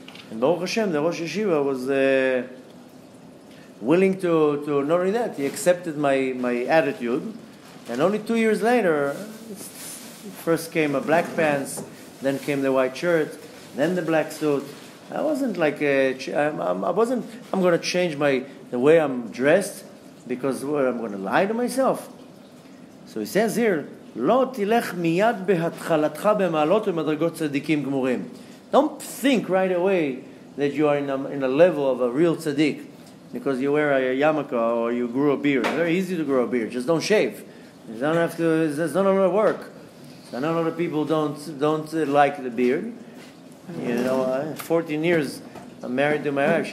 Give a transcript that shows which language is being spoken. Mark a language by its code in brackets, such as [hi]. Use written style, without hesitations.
[en] And Baruch Hashem, the Rosh Yeshiva, was willing to, not only that, he accepted my attitude. And only 2 years later, first came a black pants, then came the white shirt, then the black suit. I wasn't like I'm going to change the way I'm dressed because I'm going to lie to myself. So he says here, [he] לא תלך מיד בהתחלתך במעלות ומדרגות צדיקים גמורים. [en] Don't think right away that you are in a level of a real tzaddik because you wear a yarmulke or you grew a beard. It's very easy to grow a beard. Just don't shave. It's not a lot of work. So I know a lot of people don't like the beard. You know, 14 years I'm married to my wife.